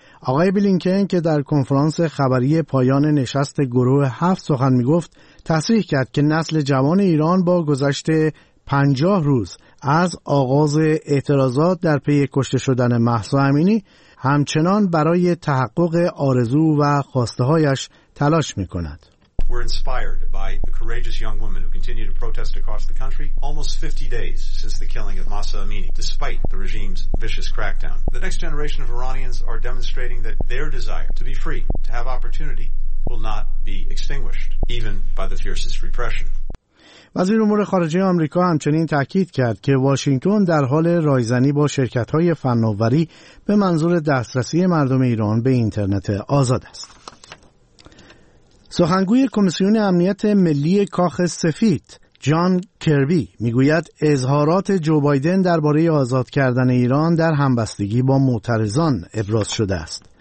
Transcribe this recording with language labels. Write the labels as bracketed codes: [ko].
[fa] آقای بلینکن که در کنفرانس خبری پایان نشست گروه 7 سخن می گفت، تصریح کرد که نسل جوان ایران با گذشت 50 روز از آغاز اعتراضات در پی کشته شدن مهسا امینی همچنان برای تحقق آرزو و خواسته هایش تلاش می کند. [en] We're inspired by the courageous young women who continue to protest across the country almost 50 days since the killing of Mahsa Amini despite the regime's vicious crackdown. The next generation of Iranians are demonstrating that their desire to be free, to have opportunity will not be extinguished even by the fiercest repression. [fa] وزیر امور خارجه آمریکا همچنین تاکید کرد که واشنگتن در حال رایزنی با شرکت‌های فناوری به منظور دسترسی مردم ایران به اینترنت آزاد است. سخنگوی کمیسیون امنیت ملی کاخ سفید جان کربی میگوید اظهارات جو بایدن درباره آزاد کردن ایران در همبستگی با معترضان ابراز شده است.